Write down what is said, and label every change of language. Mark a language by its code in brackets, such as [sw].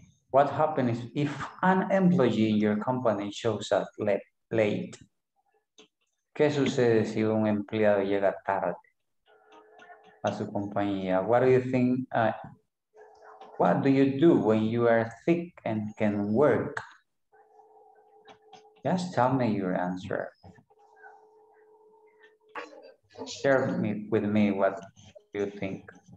[en] What happens if an employee in your company shows up late? [es] ¿Qué sucede si un empleado llega tarde a su compañía? [en] What do you think? What do you do when you are sick and can work? Just tell me your answer. Share me with me what you think.